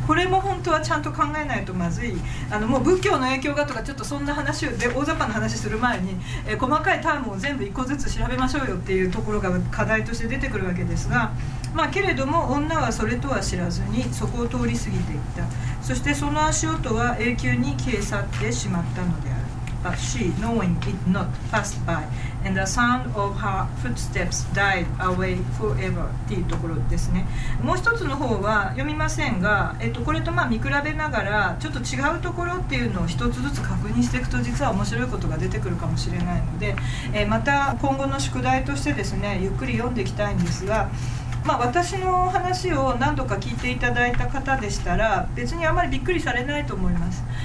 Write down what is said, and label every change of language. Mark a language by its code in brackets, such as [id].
[ja] これも本当はちゃんと考えないとまずい。あのもう仏教の影響がとか、ちょっとそんな話で大雑把な話する前に、細かいタームを全部一個ずつ調べましょうよっていうところが課題として出てくるわけですが、まあ、けれども女はそれとは知らずにそこを通り過ぎていった。そしてその足音は永久に消え去ってしまったのである。 [en] But she, knowing it not, passed by and the sound of her footsteps died away forever っていうところですね。 [ja] もう一つの方は読みませんが、これとまあ見比べながらちょっと違うところっていうのを一つずつ確認していくと、実は面白いことが出てくるかもしれないので、また今後の宿題としてですね、ゆっくり読んでいきたいんですが、まあ、私の話を何度か聞いていただいた方でしたら別にあまりびっくりされないと思います。